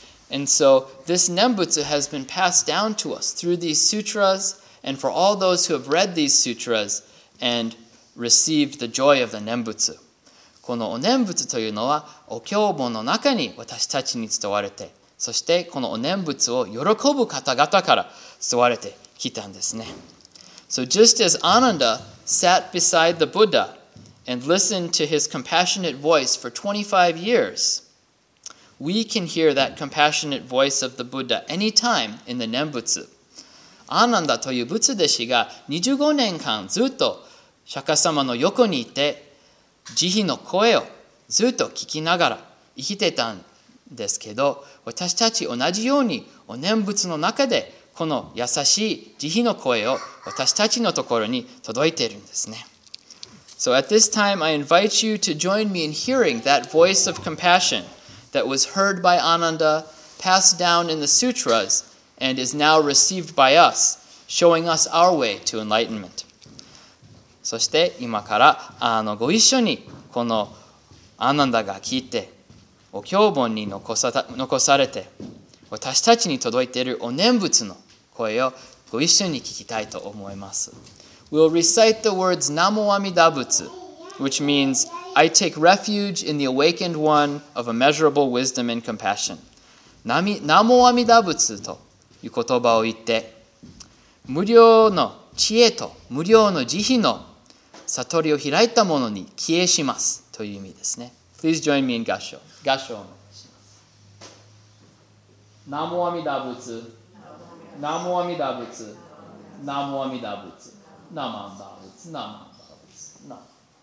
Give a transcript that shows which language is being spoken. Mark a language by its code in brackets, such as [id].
[en] And so this Nembutsu has been passed down to us through these sutras,And for all those who have read these sutras and received the joy of the Nembutsu. [ja] このお念仏というのはお経本の中に私たちに伝われて、そしてこのお念仏を喜ぶ方々から伝われてきたんですね。 [en] So just as Ananda sat beside the Buddha and listened to his compassionate voice for 25 years, we can hear that compassionate voice of the Buddha anytime in the Nembutsu. [ja] アナンダという仏弟子が25年間ずっと釈迦様の横にいて慈悲の声をずっと聞きながら生きてたんですけど私たち同じようにお念仏の中でこの優しい慈悲の声を私たちのところに届いているんですね。 [en] So at this time I invite you to join me in hearing that voice of compassion that was heard by Ananda passed down in the sutrasAnd is now received by us, showing us our way to enlightenment. [ja] そして今からご一緒にこのアナンダが聞いてお経本に残されて私たちに届いているお念仏の声をご一緒に聞きたいと思います。 [en] We'll recite the words Namo Amida Butsu, which means I take refuge in the awakened one of immeasurable wisdom and compassion. [ja] Namo Amida Butsu と。いう言葉を言って、無量の知恵と無量の慈悲の悟りを開いた者に帰依しますという意味ですね。 [en] Please join me in 合唱。 [ja] 合唱をお願いします。ナモアミダブツ、ナモアミダブツ、ナモアミダブツ、ナマンダブツ、ナマンダブツ、ナマンダブツ。